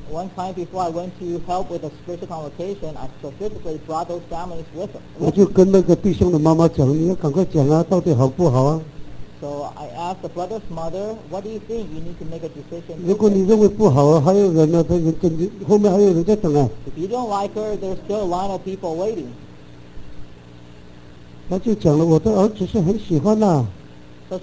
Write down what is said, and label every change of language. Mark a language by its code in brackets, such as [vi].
[en] One time before I went to help with a spiritual convocation, I specifically brought those families with them. [zh] 我就跟那个弟兄的妈妈讲，你要赶快讲啊，到底好不好啊。 [en] So I asked the brother's mother, what do you think? You need to make a decision. [zh] 如果你认为不好，还有人呢，他后面还有人在等啊。 [en] If you don't like her, there's still a line of people waiting. [zh] 他就讲了，我的儿子是很喜欢啊。 [en] So